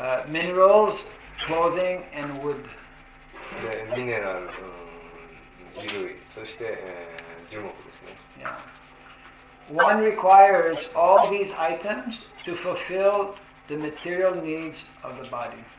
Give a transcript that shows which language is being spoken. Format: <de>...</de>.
<en>Minerals, clothing, and wood.</en> <ja>で、ミネラル、衣類、そして樹木ですね。</ja> <en>Yeah. One requires all these items to fulfill the material needs of the body.</en>